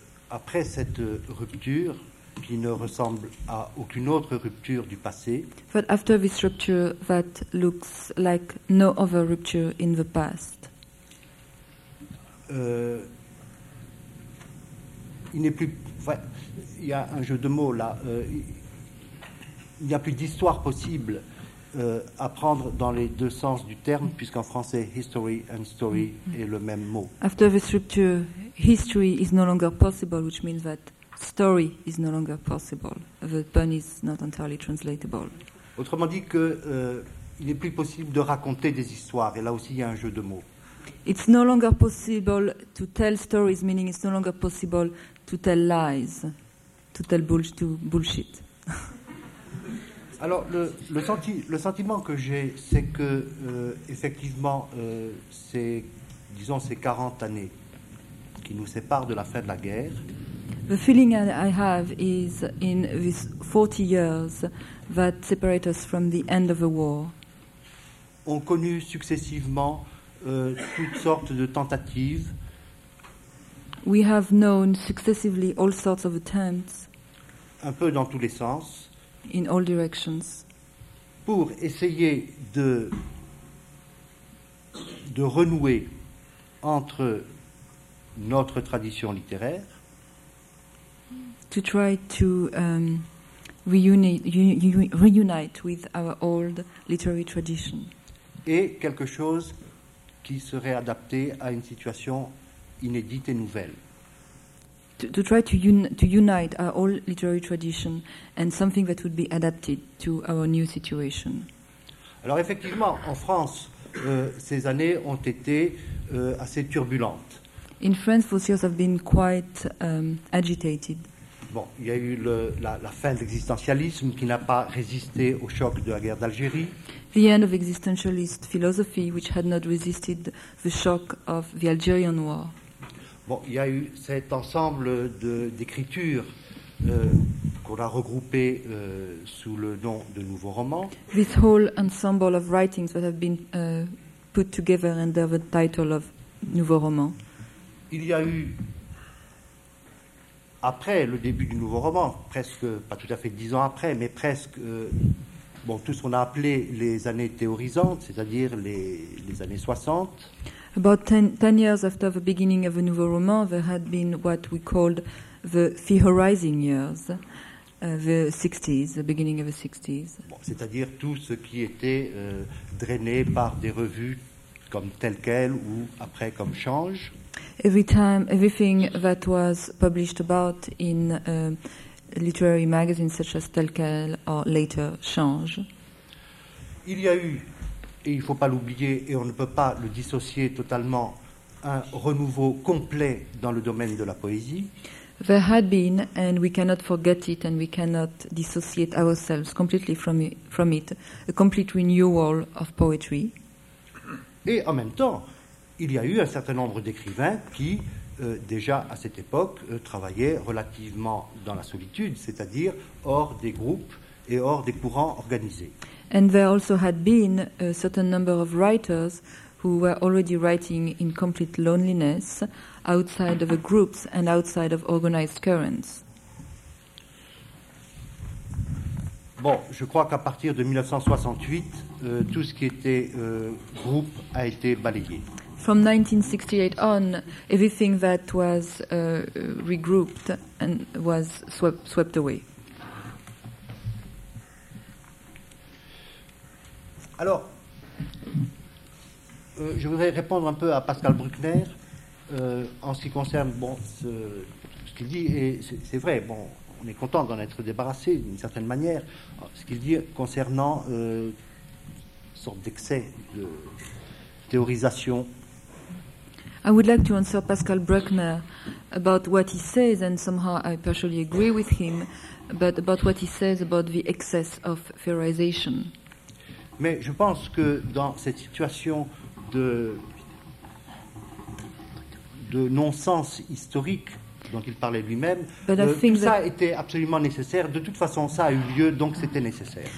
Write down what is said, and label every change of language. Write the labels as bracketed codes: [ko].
[fr] Après cette rupture, qui ne ressemble à aucune autre rupture du passé. [en] But after this rupture that looks like no other rupture in the past. [fr] Il n'est plus... Enfin, il y a un jeu de mots là. Il n'y a plus d'histoire possible à prendre dans les deux sens du terme, mm-hmm. puisqu'en français, [en] history and story [fr] mm-hmm. est le même mot. [en] After this rupture, history is no longer possible, which means that story is no longer possible. The pun is not entirely translatable. [fr] Autrement dit que il n'est plus possible de raconter des histoires. Et là aussi, il y a un jeu de mots. [en] It's no longer possible to tell stories, meaning it's no longer possible to tell lies, to tell bullshit. [fr] Alors, le sentiment que j'ai, c'est que, effectivement, ces 40 années qui nous séparent de la fin de la guerre... [en] The feeling I have is in these 40 years that separate us from the end of the war. [fr] On connu successivement toutes sortes de tentatives. [en] We have known successively all sorts of attempts. [fr] Un peu dans tous les sens. [en] In all directions. [fr] Pour essayer de renouer entre notre tradition littéraire. [en] To try to reunite with our old literary tradition. [fr] Et quelque chose qui serait adapté à une situation inédite et nouvelle. [en] To try to unite our old literary tradition and something that would be adapted to our new situation. [fr] Alors effectivement, en France, ces années ont été assez turbulentes. [en] In France, those years have been quite agitated. [fr] Bon, il y a eu la fin de l'existentialisme qui n'a pas résisté au choc de la guerre d'Algérie. [en] The end of existentialist philosophy, which had not resisted the shock of the Algerian war. [fr] Bon, il y a eu cet ensemble d'écritures qu'on a regroupé sous le nom de nouveaux romans. [en] This whole ensemble of writings that have been put together under the title of nouveaux romans. [fr] Il y a eu... Après le début du nouveau roman, presque, pas tout à fait 10 ans après, mais presque, tout ce qu'on a appelé les années théorisantes, c'est-à-dire les années 60. [en] About 10 years after the beginning of the nouveau roman, there had been what we called the theorizing years, the 60s, the beginning of the 60s. [fr] Bon, c'est-à-dire tout ce qui était drainé par des revues comme telles quelles ou après comme Change. [en] Everything that was published about in literary magazines such as Tel Quel or later Change. [fr] Il y a eu, et il ne faut pas l'oublier, et on ne peut pas le dissocier totalement, un renouveau complet dans le domaine de la poésie. [en] There had been, and we cannot forget it, and we cannot dissociate ourselves completely from it, a complete renewal of poetry. [fr] Et en même temps, il y a eu un certain nombre d'écrivains qui, déjà à cette époque, travaillaient relativement dans la solitude, c'est-à-dire hors des groupes et hors des courants organisés. [en] And there also had been a certain number of writers who were already writing in complete loneliness, outside of the groups and outside of organized currents. [fr] Bon, je crois qu'à partir de 1968, tout ce qui était groupe a été balayé. [en] From 1968 on, everything that was regrouped and was swept away. [fr] Alors, je voudrais répondre un peu à Pascal Bruckner en ce qui concerne bon, ce qu'il dit, et c'est vrai, bon, on est content d'en être débarrassé d'une certaine manière, ce qu'il dit concernant une sorte d'excès de théorisation. [en] I would like to answer Pascal Bruckner about what he says, and somehow I partially agree with him, but about what he says about the excess of theorization. [fr] Mais je pense que dans cette situation de non-sens historique dont il parlait lui-même, ça était absolument nécessaire. De toute façon, ça a eu lieu, donc c'était nécessaire.